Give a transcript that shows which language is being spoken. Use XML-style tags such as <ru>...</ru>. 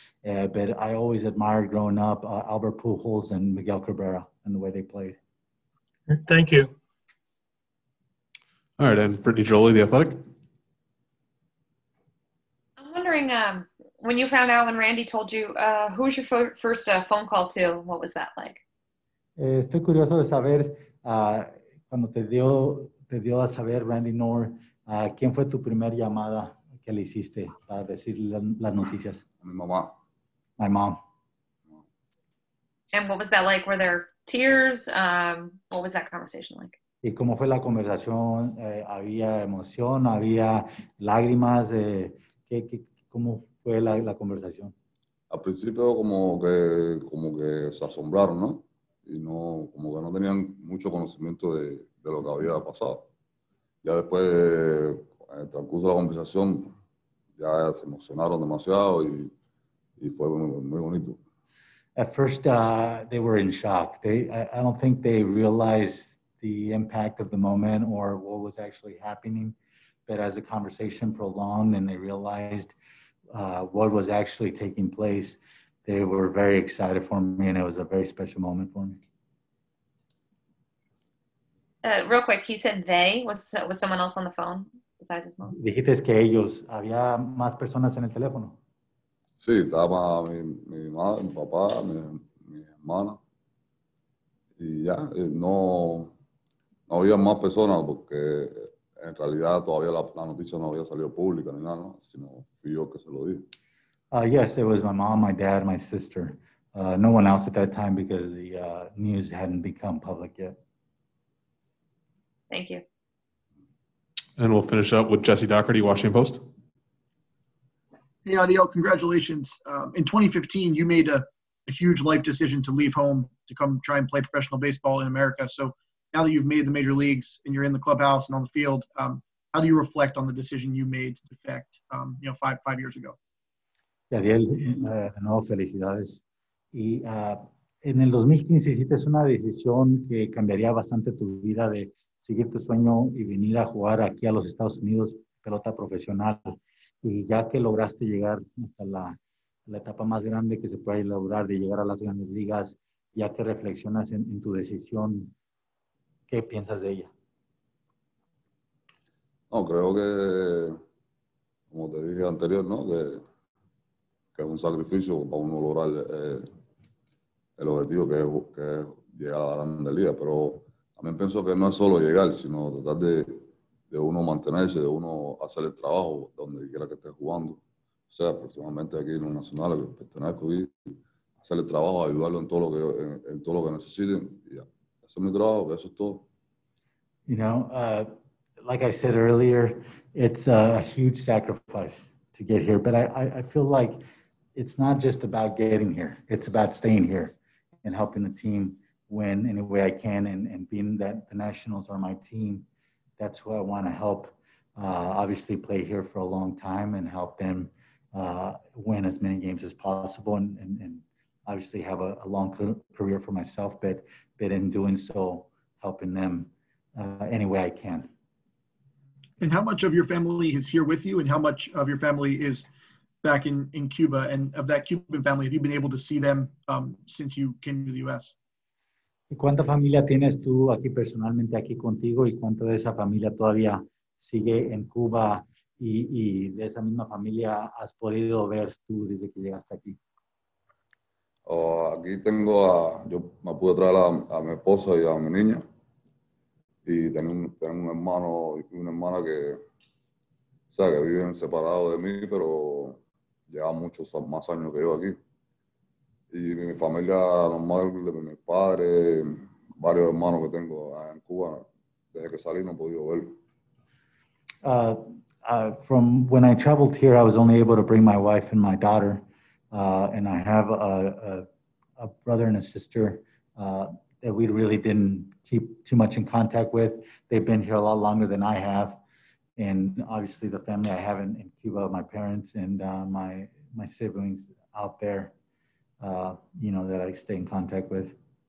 <en>But I always admired growing up Albert Pujols and Miguel Cabrera and the way they played. Thank you. All right, and Brittany Jolie, The Athletic. I'm wondering, when you found out, when Randy told you, who was your first phone call to? What was that like?</en> <es>Estoy curioso de saber, cuando te dio a saber Randy Knorr, ¿quién fue tu primera llamada que le hiciste para decir las noticias? Mi mamá.</es> <en>My mom. And what was that like? Were there tears? What was that conversation like?</en> <es>¿Y cómo fue la conversación? ¿Había emoción? ¿Había lágrimas? ¿Cómo fue la conversación? Al principio como que se asombraron, ¿no? Y no, como que no tenían mucho conocimiento de lo que había pasado. Ya después, en el transcurso de la conversación, ya se emocionaron demasiado y fue muy, muy bonito.</es> <en>At first, they were in shock. I don't think they realized the impact of the moment or what was actually happening. But as the conversation prolonged and they realized what was actually taking place, they were very excited for me, and it was a very special moment for me. Real quick, he said they. Was someone else on the phone besides his mom?</en> <es>Dijiste que ellos. Había más personas en el teléfono. Sí, estaba mi madre, mi papá, mi hermana. Y ya, no había más personas porque en realidad todavía la noticia no había salido pública ni nada, ¿no? Sino fui yo que se lo dije.</es> <en>Yes, it was my mom, my dad, my sister. No one else at that time because the news hadn't become public yet. Thank you. And we'll finish up with Jesse Dougherty, Washington Post. Hey, Adiel, congratulations. In 2015, you made a huge life decision to leave home to come try and play professional baseball in America. So now that you've made the major leagues and you're in the clubhouse and on the field, how do you reflect on the decision you made to defect, you know, five years ago?</en> <es>Yeah, Adiel, no, felicidades. Y en el 2015 hiciste una decisión que cambiaría bastante tu vida de seguir tu sueño y venir a jugar aquí a los Estados Unidos pelota profesional. Y ya que lograste llegar hasta la etapa más grande que se puede lograr de llegar a las grandes ligas, ya que reflexionas en tu decisión, ¿qué piensas de ella? No, creo que, como te dije anterior, ¿no? Que es un sacrificio para uno lograr el objetivo que es llegar a la grande liga. Pero también pienso que no es solo llegar, sino tratar de uno mantenerse, de uno hacer el trabajo donde quiera que esté jugando, o sea, personalmente aquí en los nacionales, pertenezco y hacer el trabajo, ayudarlo en todo lo que necesiten, y hacer mi trabajo, eso es todo.</es> <en>You know, like I said earlier, it's a huge sacrifice to get here, but I feel like it's not just about getting here, it's about staying here and helping the team win any way I can, and being that the Nationals are my team. That's who I want to help, obviously play here for a long time and help them win as many games as possible and obviously have a long career for myself, but in doing so, helping them any way I can. And how much of your family is here with you, and how much of your family is back in Cuba? And of that Cuban family, have you been able to see them since you came to the U.S.?</en> <es>¿Cuánta familia tienes tú aquí personalmente aquí contigo y cuánta de esa familia todavía sigue en Cuba y de esa misma familia has podido ver tú desde que llegaste aquí? Aquí tengo yo me pude traer a mi esposa y a mi niña y tengo un hermano y una hermana que, o sea, que viven separados de mí, pero llevan muchos más años que yo aquí. Y mi familia normal, de mi padre, varios hermanos que tengo en Cuba, desde que salí no he podido verlo.</es> <en>From when I traveled here, I was only able to bring my wife and my daughter, and I have a brother and a sister that we really didn't keep too much in contact with. They've been here a lot longer than I have, and obviously the family I have in Cuba, my parents and my siblings out there, you know, that I stay in contact with.</en>